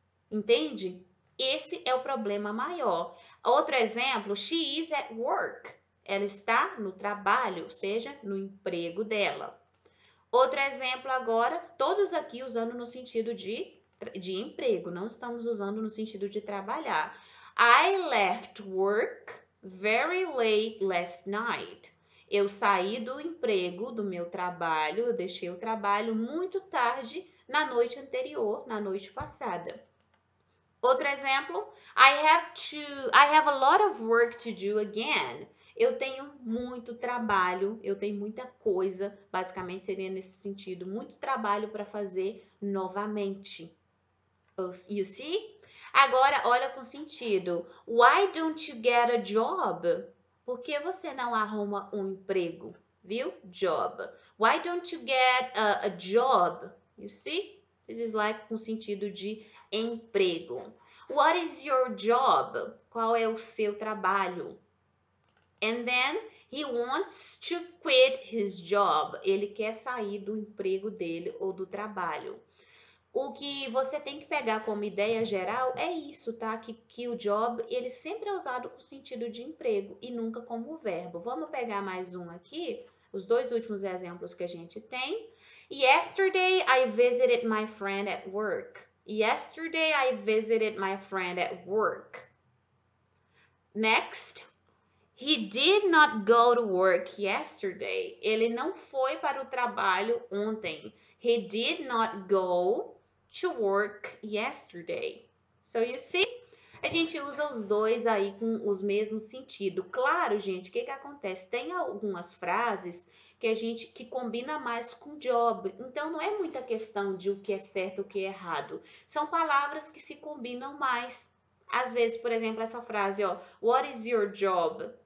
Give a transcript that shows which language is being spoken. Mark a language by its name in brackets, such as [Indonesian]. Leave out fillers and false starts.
[Portuguese] Entende? Esse é o problema maior. Outro exemplo. [English] She is at work. [Portuguese] Ela está no trabalho, ou seja, no emprego dela. Outro exemplo agora, todos aqui usando no sentido de emprego, não estamos usando no sentido de trabalhar. [English] I left work very late last night. [Portuguese] Eu saí do emprego, do meu trabalho, eu deixei o trabalho muito tarde na noite anterior, na noite passada. Outro exemplo, [English] I have a lot of work to do again. [Portuguese] Eu tenho muito trabalho, eu tenho muita coisa, basicamente seria nesse sentido, muito trabalho para fazer novamente. [English] You see? [Portuguese] Agora, olha com sentido. [English] Why don't you get a job? [Portuguese] Por que você não arruma um emprego? Viu? [English] Job. Why don't you get a job? You see? This is like [Portuguese] com sentido de emprego. [English] What is your job? [Portuguese] Qual é o seu trabalho? [English] And then, He wants to quit his job. [Portuguese] Ele quer sair do emprego dele ou do trabalho. O que você tem que pegar como ideia geral é isso, tá? Que o job, ele sempre é usado com sentido de emprego e nunca como verbo. Vamos pegar mais um aqui, os dois últimos exemplos que a gente tem. [English] Yesterday I visited my friend at work. Yesterday I visited my friend at work. Next. He did not go to work yesterday. [Portuguese] Ele não foi para o trabalho ontem. [English] He did not go to work yesterday. So you see? [Portuguese] A gente usa os dois aí com os mesmos sentido. Claro, gente, o que que acontece? Tem algumas frases que a gente que combina mais com job. Então não é muita questão de o que é certo, o que é errado. São palavras que se combinam mais. Às vezes, por exemplo, essa frase, ó, [English] What is your job?